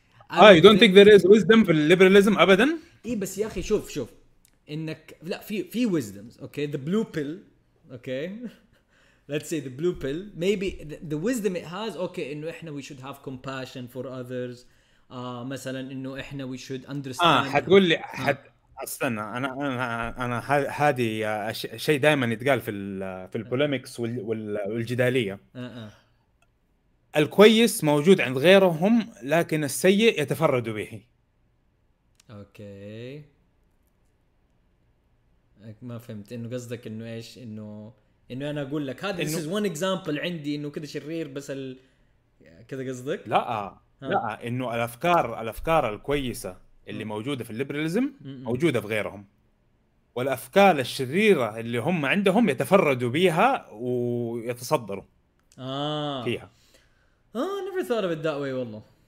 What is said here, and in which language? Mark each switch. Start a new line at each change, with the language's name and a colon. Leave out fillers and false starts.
English: I don't think there is wisdom
Arabic: في الليبراليزم أبدا. إيه بس يا أخي شوف شوف إنك لا في wisdoms.
English: Okay, the blue pill. Okay, let's say the blue pill. Maybe the wisdom it has. Okay,
Arabic: إنه إحنا
English: we should have compassion for others.
Arabic: مثلا إنه إحنا
English: we should understand.
Arabic: هتقول لي حد استنى انا هذه شيء دائما يتقال في البوليمكس والجداليه. الكويس موجود عند غيرهم لكن السيء يتفرد به. اوكي ما فهمت انه قصدك انه ايش انه انا اقول لك هذا
English: this is one example
Arabic: عندي انه كذا شرير بس كذا قصدك. لا لا انه الافكار الكويسه اللي موجوده في الليبراليزم موجوده في غيرهم والافكار الشريره اللي هم عندهم يتفردوا بها ويتصدروا فيها.
English: never thought of it that way
Arabic: والله.